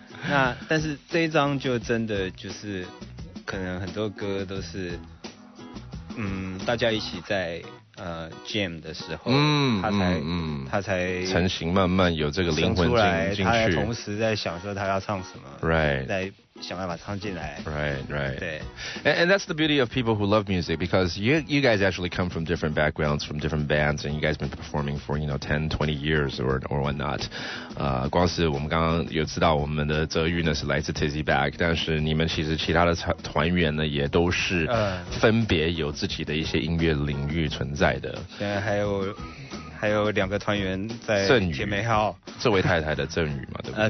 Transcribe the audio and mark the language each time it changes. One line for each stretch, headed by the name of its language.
Chinese: 那但是这一张就真的就是可能很多歌都是大家一起在jam 的时候，他才成型，慢慢有这个灵魂进去，他还同时在想说他要唱什么，
English: right，
Chinese: 在想办法唱进来，
English: right，
Chinese: 对。
English: And that's the beauty of people who love music, because you guys actually come from different backgrounds, from different bands, and you guys been performing for, you know, 10, 20 years or whatnot.
Chinese: 光是我们刚刚有知道我们的泽玉呢是来自 Tizzy Bag, 但是你们其实其他的团员呢也都是分别有自己的一些音乐领域存在的。现在还有还有两个团员在姐妹号，这位太太的郑宇嘛，对不对？